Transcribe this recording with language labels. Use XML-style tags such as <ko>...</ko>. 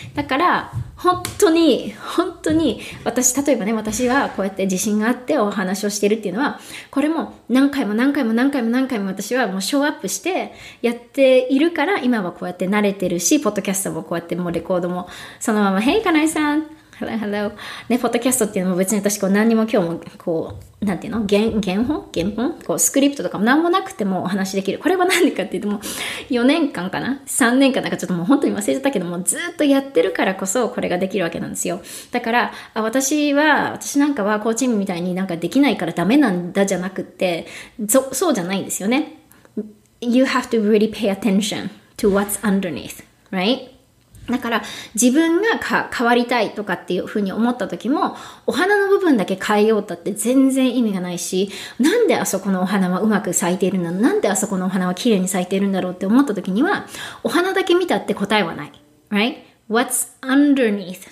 <ja>だから本当に私、例えばね、私はこうやって自信があってお話をしてるっていうのは、これも何回も何回も何回も何回も私はもうショーアップしてやっているから、今はこうやって慣れてるし、ポッドキャストもこうやってもうレコードもそのまま、Hey, かなえさん、Hello, ね、ポッドキャストっていうのも別に私こう何にも今日もこう、なんていうの、原本こうスクリプトとかも何もなくてもお話できる。これは何でかっていうと、もう4年間かな ?3 年間なんかちょっともう本当に忘れちゃったけども、ずっとやってるからこそこれができるわけなんですよ。だから、私なんかはコーチングみたいになんかできないからダメなんだじゃなくて、そうじゃないんですよね。</ja> <en>You have to really pay attention to what's underneath, right?</en> <ja>だから自分が変わりたいとかっていうふうに思った時も、お花の部分だけ変えようったって全然意味がないし、なんであそこのお花はうまく咲いているんだろう、なんであそこのお花は綺麗に咲いているんだろうって思った時には、お花だけ見たって答えはない。</ja> <en>Right? What's underneath?</en>